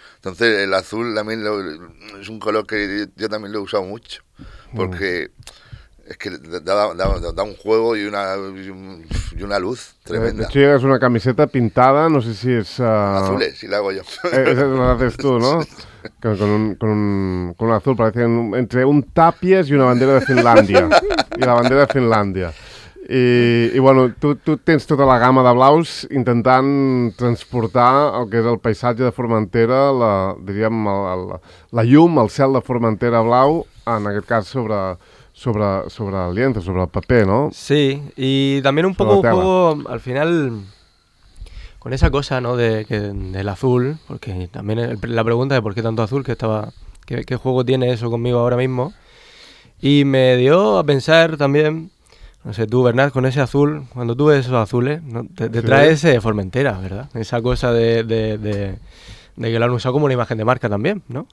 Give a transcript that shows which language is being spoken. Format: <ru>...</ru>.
<es>Entonces, el azul también es un color que yo también lo he usado mucho, porque es que da un juego y una luz tremenda. De hecho, llegas una camiseta pintada, no sé si es... Azules, si la hago yo. Esa la haces tú, ¿no? Con un azul, parece entre un tapies y una bandera de Finlàndia.</es> <ca>I la bandera de Finlàndia. I bueno, tu tens tota la gamma de blaus intentant transportar el que és el paisatge de Formentera, la llum, el cel de Formentera blau, en aquest cas sobre el lienzo, sobre el paper, no? Sí, i també un poc al final...</ca> <es>Con esa cosa, ¿no? del azul, porque también la pregunta de por qué tanto azul, qué juego tiene eso conmigo ahora mismo. Y me dio a pensar también, no sé, tú, Bernat, con ese azul, cuando tú ves esos azules, ¿no? te trae ese de Formentera, ¿verdad? Esa cosa de que lo han usado como una imagen de marca también, ¿no?</es>